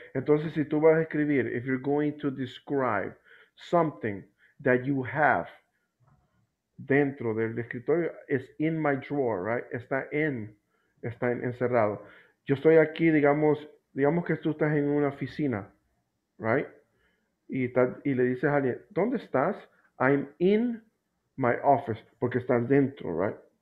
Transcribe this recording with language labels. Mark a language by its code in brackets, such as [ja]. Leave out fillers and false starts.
[es] Entonces, si tú vas a escribir, [en] if you're going to describe something that you have [es] dentro del escritorio, [en] it's in my drawer, right? [es] Está encerrado. Yo estoy aquí, digamos que tú estás en una oficina, right? Y le dices a alguien, ¿dónde estás? [en] I'm in my office, [es] porque estás dentro, [en] right?